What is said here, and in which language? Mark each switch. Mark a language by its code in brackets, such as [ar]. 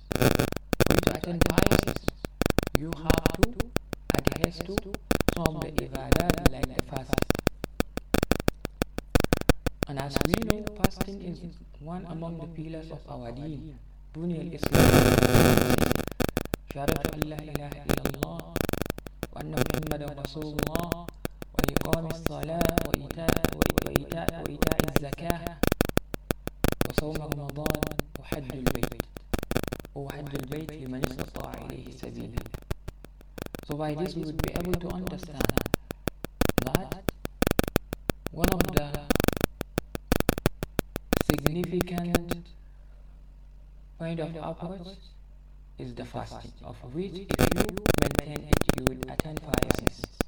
[en] For you to attain piousness, you have to adhere to some of the ibadah like the fast. And as we know, fasting is one among the pillars of our deen. [ar] Buni al-Islam. شهادة أن لا إله إلا الله وأن محمدا رسول الله وإقام الصلاة وإيتاء الزكاة وصوم رمضان وحج البيت وحج البيت لمن استطاع إليه سبيلا. [en] So by this we would be able to understand that one of the significant kind of upwards is the fasting, of which if you maintain it, you will attain piousness.